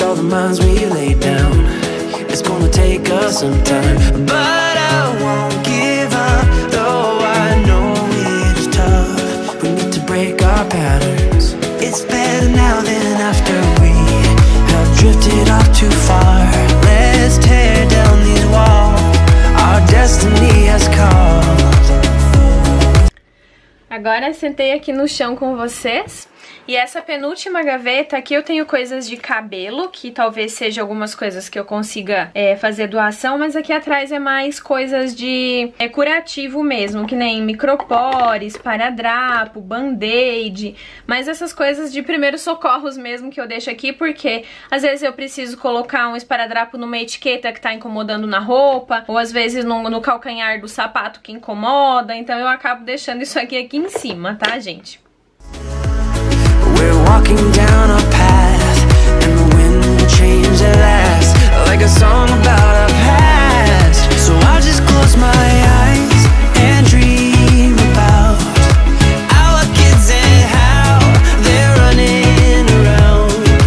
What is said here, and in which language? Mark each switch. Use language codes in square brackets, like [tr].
[en] Minds we lay down, it's gonna take us some time, but I won't give up, though I know it's tough, we need to break our patterns, it's better now than after we have drifted off too far, let's tear down these walls, our destiny has called. [pt] Agora sentei aqui no chão com vocês. E essa penúltima gaveta aqui eu tenho coisas de cabelo, que talvez seja algumas coisas que eu consiga fazer doação, mas aqui atrás é mais coisas de curativo mesmo, que nem micropores, paradrapo, band-aid, mas essas coisas de primeiros socorros mesmo que eu deixo aqui, porque às vezes eu preciso colocar um esparadrapo numa etiqueta que tá incomodando na roupa, ou às vezes no calcanhar do sapato que incomoda, então eu acabo deixando isso aqui em cima, tá, gente? [en] We're walking down a path, and the wind will change at last, like a song about our past. So I'll just close my eyes and dream about our kids and how they're running around.